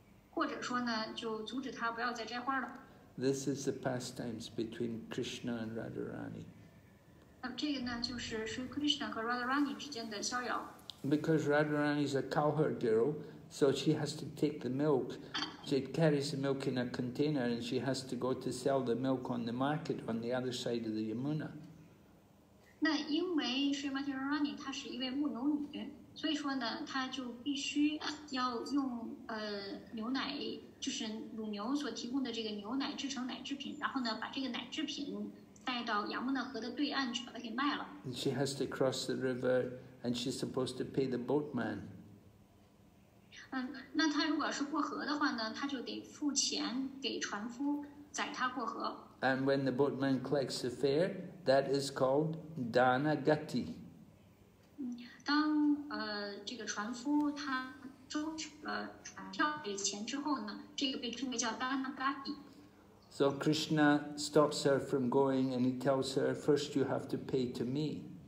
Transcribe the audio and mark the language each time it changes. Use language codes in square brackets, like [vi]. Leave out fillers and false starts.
[zh] 或者说呢，就阻止她不要再摘花了。 [en] This is the pastimes between Krishna and Radharani. [zh] 这个呢就是 Sri Krishna 和 Radharani 之间的逍遥。 [en] Because Radharani is a cowherd girl. So she has to take the milk. She carries the milk in a container, and she has to go to sell the milk on the market on the other side of the Yamuna. [zh] 那因为 Sri Mati Radharani 她是一位牧牛女，所以说呢，她就必须要用牛奶，就是乳牛所提供的这个牛奶制成奶制品，然后呢，把这个奶制品带到亚穆纳河的对岸去把它给卖了。 [en] And she has to cross the river, and she's supposed to pay the boatman. [zh] 那他如果是过河的话呢，他就得付钱给船夫载他过河。 [en] And when the boatman collects the fare, that is called dana gati. [zh] 当这个船夫他收取了船票的钱之后呢，这个被称为叫 dana gati. [en] So Krishna stops her from going, and he tells her, first you have to pay to me.